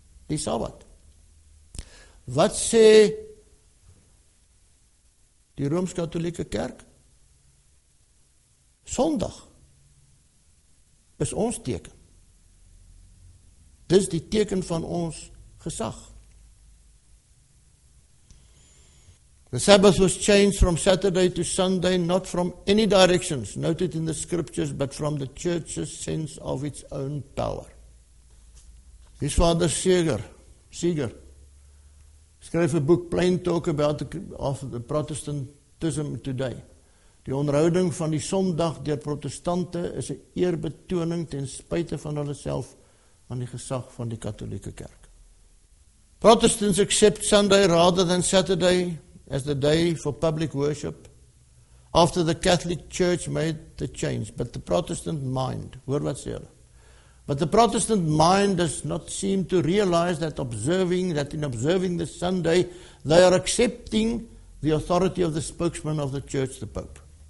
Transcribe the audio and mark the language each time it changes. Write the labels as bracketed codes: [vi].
[af] Die Sabbat. Wat sê die Rooms-Katolieke Kerk? Sondag is ons teken. Dis die teken van ons gesag. [en] The Sabbath was changed from Saturday to Sunday, not from any directions noted in the scriptures, but from the church's sense of its own power. His father Seeger, [af] skryf 'n boek, [en] Plain Talk About the Protestantism Today. [af] Die onderhouding van die Sondag deur protestante is 'n eerbetoning ten spyte van hulle self aan die gesag van die katolieke kerk. [en] Protestants accept Sunday rather than Saturday as the day for public worship after the Catholic Church made the change, but the Protestant mind, [af] hoor wat sê hulle, [en] but the Protestant mind does not seem to realize that in observing the Sunday, they are accepting the authority of the spokesman of the church, the Pope.